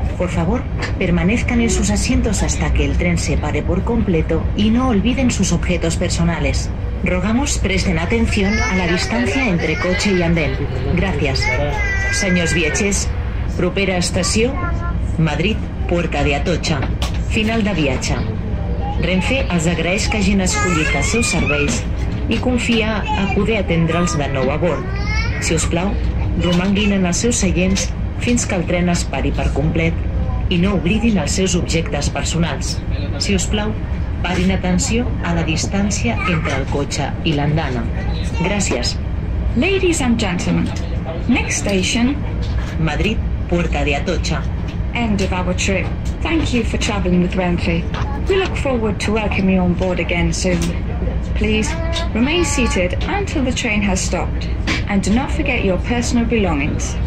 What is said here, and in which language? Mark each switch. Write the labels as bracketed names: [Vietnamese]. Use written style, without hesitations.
[Spanish] Por favor, permanezcan en sus asientos hasta que el tren se pare por completo y no olviden sus objetos personales. Rogamos presten atención a la distancia entre coche y andén. Gracias. Señores viajeros, propera estación, Madrid, Puerta de Atocha. [Catalan] Final de viatge. Renfe els agraeix que hagin escollit els seus serveis i confia a poder atendre'ls de nou a bord. Si us plau, romanguin en els seus seients fins que el tren es pari per complet i no oblidin els seus objectes personals. Si us plau, parin atenció a la distància entre el cotxe i l'andana. Gràcies. [English] Ladies and gentlemen, next station, Madrid, Puerta de Atocha. End of our trip. Thank you for traveling with Renfe. We look forward to welcoming you on board again soon. Please remain seated until the train has stopped and do not forget your personal belongings.